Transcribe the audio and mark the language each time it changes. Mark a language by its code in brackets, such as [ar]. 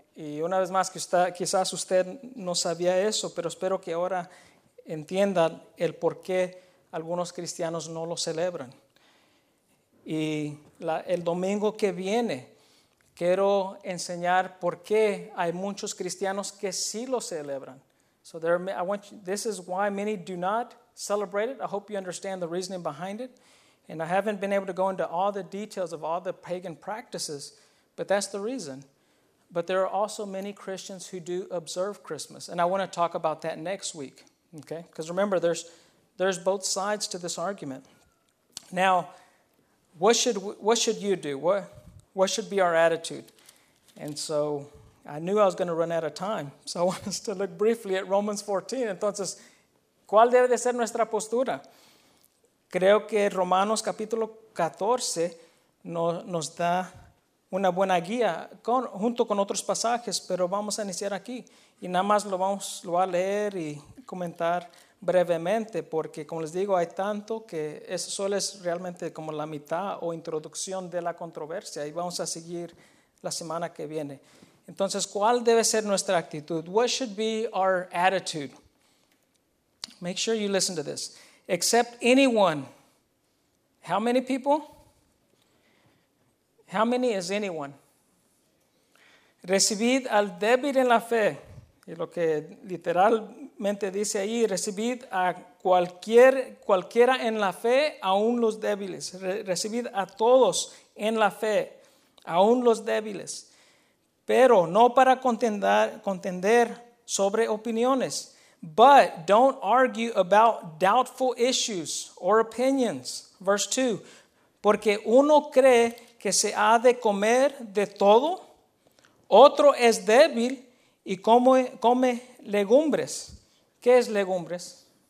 [es] Y una vez más, quizás usted no sabía eso, pero espero que ahora entiendan el por qué algunos cristianos no lo celebran. Y el domingo que viene quiero enseñar por qué hay muchos cristianos que sí lo celebran. [en] So this is why many do not celebrate it. I hope you understand the reasoning behind it. And I haven't been able to go into all the details of all the pagan practices, but that's the reason. But there are also many Christians who do observe Christmas. And I want to talk about that next week. Okay? Because remember, there's both sides to this argument. Now, what should you do? What should be our attitude? And so I knew I was going to run out of time. So I want us to look briefly at Romans 14. [es] Entonces, ¿cuál debe de ser nuestra postura? Creo que Romanos capítulo 14 nos da una buena guía junto con otros pasajes, pero vamos a iniciar aquí. Y nada más lo voy a leer y comentar brevemente, porque como les digo, hay tanto que eso solo es realmente como la mitad o introducción de la controversia. Y vamos a seguir la semana que viene. Entonces, ¿cuál debe ser nuestra actitud? [en] What should be our attitude? Make sure you listen to this. Except anyone. How many people? How many is anyone? [es] Recibid al débil en la fe. Y lo que literalmente dice ahí, recibid a cualquiera en la fe, aún los débiles. Recibid a todos en la fe, aún los débiles. Pero no para contender sobre opiniones. [en] But don't argue about doubtful issues or opinions. Verse 2. [es] Porque uno cree que se ha de comer de todo. Otro es débil y come legumbres. ¿Qué es legumbres?